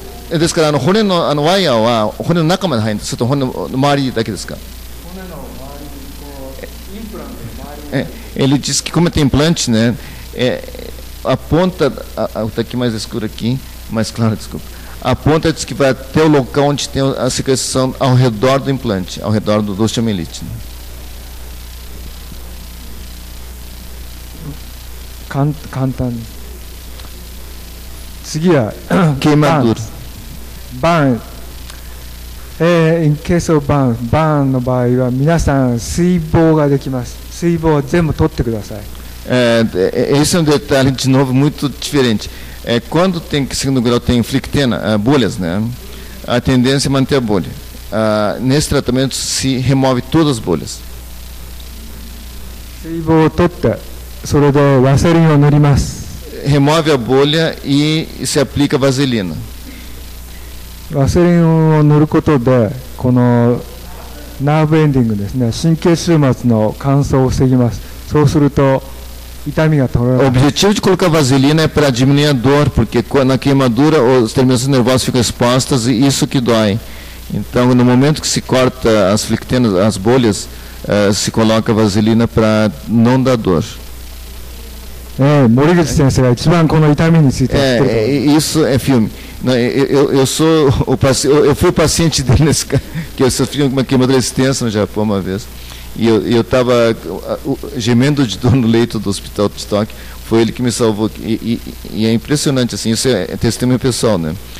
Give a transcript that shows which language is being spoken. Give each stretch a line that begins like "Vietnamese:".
Japanese: ですから、骨の、あのワイヤーは骨の中まで入るんです。骨の周りだけですか。
Portuguese: Ele disse que como tem implante, né, a ponta, está aqui mais escuro aqui, mais claro, desculpa. A ponta diz que vai até o local onde tem a secreção ao redor do implante, ao redor do osteomielite. Né? Cantan. Seguia. Queimadura.
English: Burn. In case of burn, burn
Japanese: no 場合は皆さん水疱ができます。水疱は全部取ってください。
Portuguese: Esse é um detalhe de novo muito diferente. Quando tem que segundo grau tem inflictena, bolhas, né? A tendência é manter a bolha. Nesse tratamento se remove todas as bolhas.
Japanese: 水疱を取って、それでワセリンを塗ります。
Portuguese: Remove a bolha e se aplica vaselina.
Japanese: ワセリンを塗ることでこのナーブエンディングですね、神経終末の乾燥を防ぎます。そうすると痛みが取れます。
Portuguese: O objetivo de colocar vaselina é para diminuir a dor, porque na queimadura os terminações nervosas ficam expostas e isso que dói. Então, no momento que se corta as flictenas, as bolhas, se coloca vaselina para não dar dor.
Japanese: Moriguchi 先生が一番この痛みについて知っている。
Portuguese: Isso é filme. Eu fui o paciente dele nesse caso, que eu sofri uma queimadura extensa no Japão uma vez. E eu estava gemendo de dor no leito do hospital de Tóquio. Foi ele que me salvou. E é impressionante, assim, isso é testemunho pessoal, né?